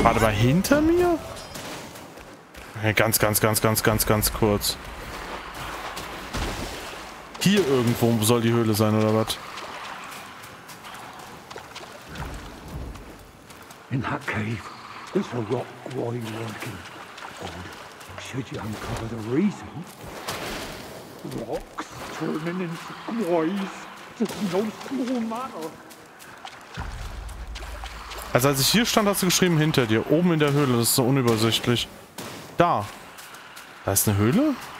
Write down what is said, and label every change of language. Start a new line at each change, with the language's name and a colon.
German: Hinter mir? Ganz, ganz, ganz, ganz, ganz, ganz kurz. Hier irgendwo soll die Höhle sein, oder was?
English: In that cave, there's a rock warrior lurking. Or should you uncover the reason? Rocks turning into quarries. Just no small matter.
German: Also als ich hier stand, hast du geschrieben, hinter dir, oben in der Höhle, das ist so unübersichtlich. Da! Da ist eine Höhle?